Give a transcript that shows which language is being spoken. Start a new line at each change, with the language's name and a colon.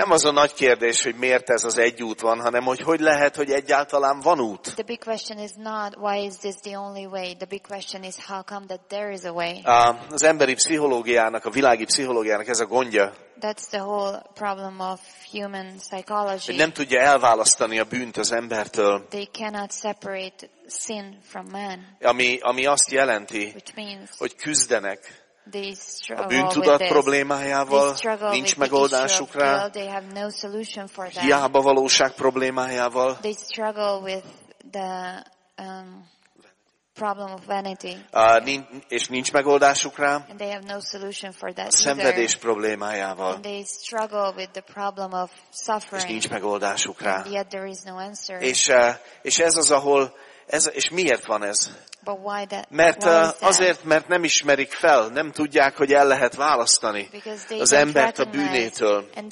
Hungarian: nem az a nagy kérdés, hogy miért ez az egy út van, hanem hogy lehet, hogy egyáltalán van út.
English: The big question is not why is this the only way. The big question is how come that there is a way.
Hungarian: Az emberi pszichológiának, a világi pszichológiának ez a gondja.
English: That's the whole problem of human psychology.
Hungarian: Nem tudja elválasztani a bűnt az embertől.
English: They cannot separate sin from man.
Hungarian: Ami azt jelenti,
English: which means,
Hungarian: hogy küzdenek.
English: They struggle
Hungarian: a bűntudat problémájával, nincs megoldásuk rá,
English: no
Hungarian: hiába valóság problémájával.
English: They struggle with the problem of vanity.
Hungarian: És nincs megoldásuk rá.
English: And they have no solution for that.
Hungarian: Szenvedés problémájával.
English: And they struggle with the problem of suffering.
Hungarian: És nincs megoldásuk rá.
English: And yet there is no answer.
Hungarian: És ez az, ahol ez, és miért van ez?
English: But why that,
Hungarian: mert
English: why is that?
Hungarian: Azért, mert nem ismerik fel, nem tudják, hogy el lehet választani az embert a bűnétől.